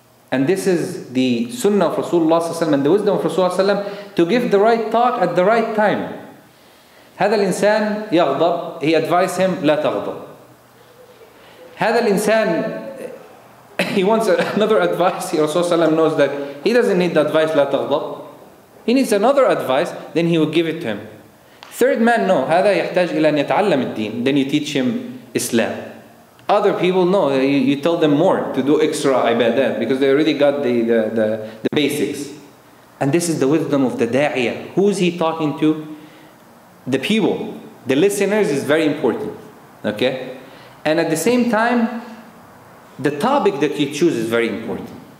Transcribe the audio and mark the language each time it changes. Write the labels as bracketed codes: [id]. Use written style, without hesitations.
[en] And this is the sunnah of Rasulullah sallallahu and the wisdom of Rasulullah sallallahu to give the right talk at the right time. [ar] هذا الإنسان يغضب, he advised him لا تغضب. [en] هذا الإنسان he wants another advice. Rasulullah sallallahu knows that he doesn't need the advice لا تغضب. He needs another advice, then he will give it to him. Third man, no, هذا يحتاج إلى أن يتعلم الدين, then you teach him Islam. Other people, no, you tell them more to do extra ibadah because they already got the basics. And this is the wisdom of the da'iyah. Who is he talking to? The people. The listeners is very important. Okay? And at the same time, the topic that you choose is very important.